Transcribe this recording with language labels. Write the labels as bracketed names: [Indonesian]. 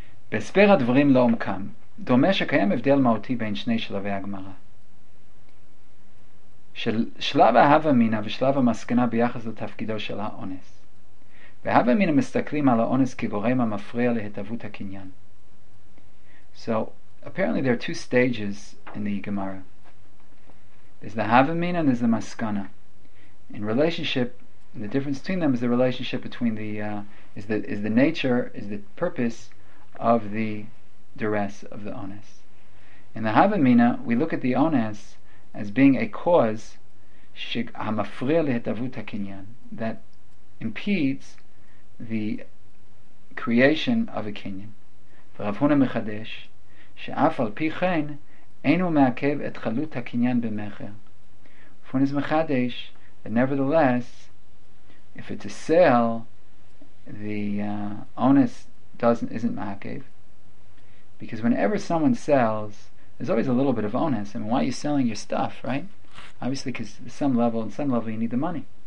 [Hebrew] בהסבר הדברים לעומקם, דומה שקיים הבדל מהותי בין שני שלבי הגמרא. שלב ההווה מינה ושלב המסקנה ביחס לתפקידו של האונס. בהווה מינה מסתכלים על האונס כגורם המפריע להתהוות הקניין. [English] So, apparently there are two stages in the Gemara. There's the ההווה מינה and there's the מסקנה. In relationship, the difference between them is the relationship between the, is the nature, is the purpose of the duress of the onus. In the Hava Mina, we look at the onus as being a cause [Hebrew] שהמפריע להתהוות הקניין, [English] that impedes the creation of a קניין. [Hebrew] ורב הונא מחדש שאף על פי כן אינו מעכב את חלות הקניין במכר. [English] הונא מחדש that nevertheless, if it's a sale, the onus isn't ma'akev, because whenever someone sells, there's always a little bit of onus. I mean, why are you selling your stuff, right? Obviously, because on some level you need the money.